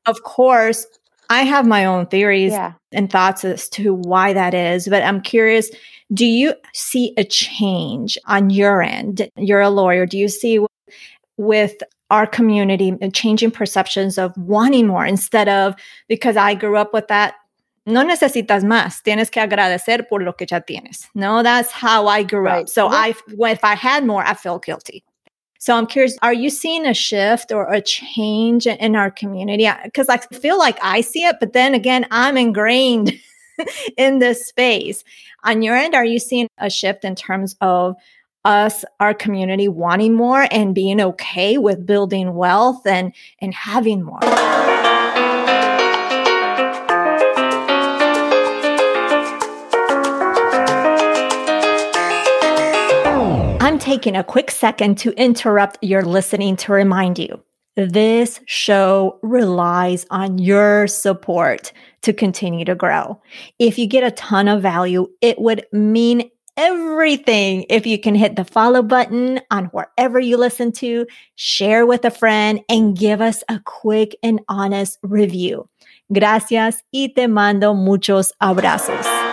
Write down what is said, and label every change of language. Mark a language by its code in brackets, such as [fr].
[en] Of course, I have my own theories yeah. and thoughts as to why that is, but I'm curious, do you see a change on your end? You're a lawyer. Do you see with our community changing perceptions of wanting more instead of, because I grew up with that, [es] no necesitas más. Tienes que agradecer por lo que ya tienes. [en] No, that's how I grew right. up. So if I had more, I feel guilty. So I'm curious, are you seeing a shift or a change in our community? Because I feel like I see it, but then again, I'm ingrained in this space. On your end, are you seeing a shift in terms of us, our community, wanting more and being okay with building wealth and having more? Taking a quick second to interrupt your listening to remind you, this show relies on your support to continue to grow. If you get a ton of value, it would mean everything if you can hit the follow button on wherever you listen to, share with a friend, and give us a quick and honest review. [es] Gracias y te mando muchos abrazos.